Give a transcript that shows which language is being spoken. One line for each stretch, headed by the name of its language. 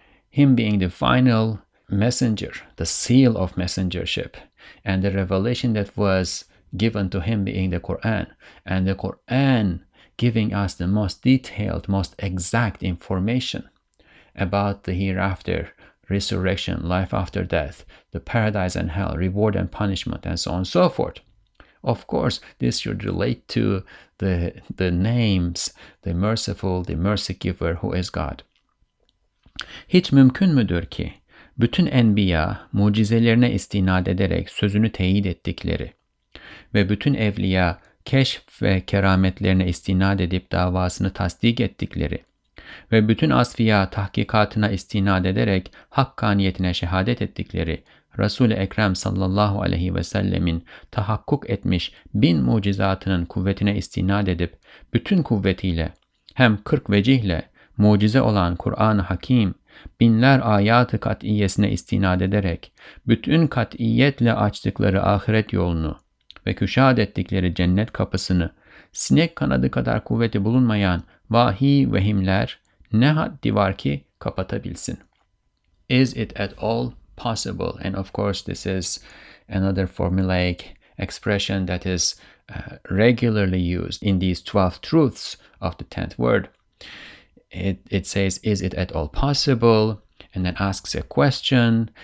English: Him being the final messenger, the seal of messengership, and the revelation that was given to him being the Quran, and the Quran giving us the most detailed, most exact information about the hereafter, resurrection, life after death, the paradise and hell, reward and punishment, and so on and so forth. Of course, this should relate to the names, the merciful, the mercy giver, who is God.
Turkish: Hiç mümkün müdür ki bütün enbiya mucizelerine istinad ederek sözünü teyit ettikleri ve bütün evliya keşf ve kerametlerine istinad edip davasını tasdik ettikleri ve bütün asfiya tahkikatına istinad ederek hakkaniyetine şehadet ettikleri Resul-i Ekrem sallallahu aleyhi ve sellemin tahakkuk etmiş bin mucizatının kuvvetine istinad edip bütün kuvvetiyle hem 40 vecihle mucize olan Kur'an-ı Hakim, binler ayat-ı kat'iyesine istinad ederek, bütün kat'iyetle açtıkları ahiret yolunu ve küşad ettikleri cennet kapısını, sinek kanadı kadar kuvveti bulunmayan vahi vehimler ne haddi var ki kapatabilsin?
English: Is it at all possible? And of course this is another formulaic expression that is regularly used in these 12 truths of the 10th word. It says, is it at all possible? And then asks a question.